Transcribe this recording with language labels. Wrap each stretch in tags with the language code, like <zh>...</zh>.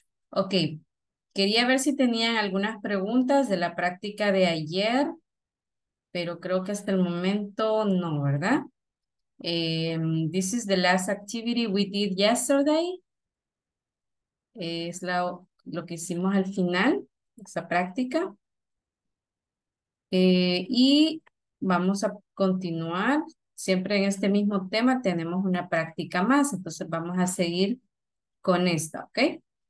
<es>Ok, quería ver si tenían algunas preguntas de la práctica de ayer, pero creo que hasta el momento no, ¿verdad?</es> <en>This is the last activity we did yesterday.</en> <es>Es lo que hicimos al final, esa práctica. Y vamos a continuar. Siempre en este mismo tema tenemos una práctica más, entonces vamos a seguir con esta, ¿ok?</es>